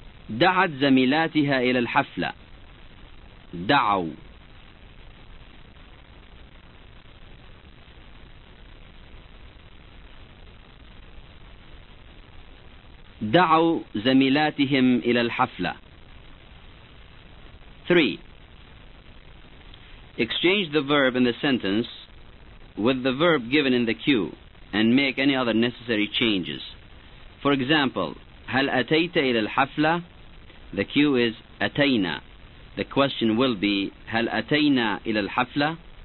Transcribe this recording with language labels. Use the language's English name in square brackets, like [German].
[Arabic] دعت زميلاتها إلى الحفلة. دعوا. دعوا زميلاتهم إلى الحفلة. [English] 3. Exchange the verb in the sentence with the verb given in the cue and make any other necessary changes. For example, [Arabic] هل أتيت إلى الحفلة? [English] The cue is أتينا. The question will be [Arabic] هل أتينا إلى الحفلة?